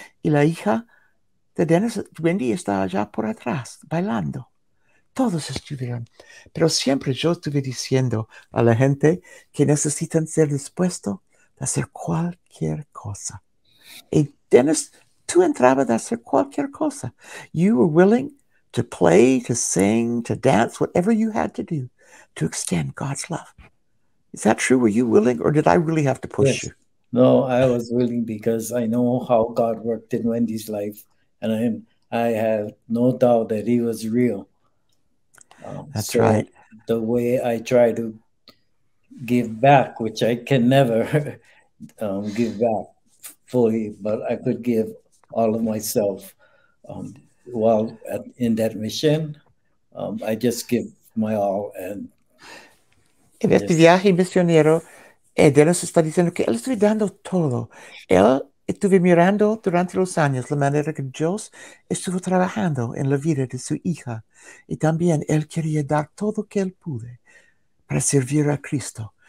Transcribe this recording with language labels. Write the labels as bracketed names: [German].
[Spanish] Y la hija de Dennis, Wendy, está allá por atrás, bailando. Todos estuvieron. Pero siempre yo estuve diciendo a la gente que necesitan ser dispuestos a hacer cualquier cosa. Y Dennis, tú entrabas a hacer cualquier cosa. [English] You were willing to play, to sing, to dance, whatever you had to do to extend God's love. Is that true? Were you willing, or did I really have to push you? No, I was willing because I know how God worked in Wendy's life, and I have no doubt that he was real. That's so right. The way I try to give back, which I can never give back fully, but I could give all of myself while in that mission. I just give my all. And [Spanish] en este viaje misionero, Dennis está diciendo que él estuvo dando todo. Él estuvo mirando durante los años la manera que Dios estuvo trabajando en la vida de su hija. Y también él quería dar todo que él pude para servir a Cristo.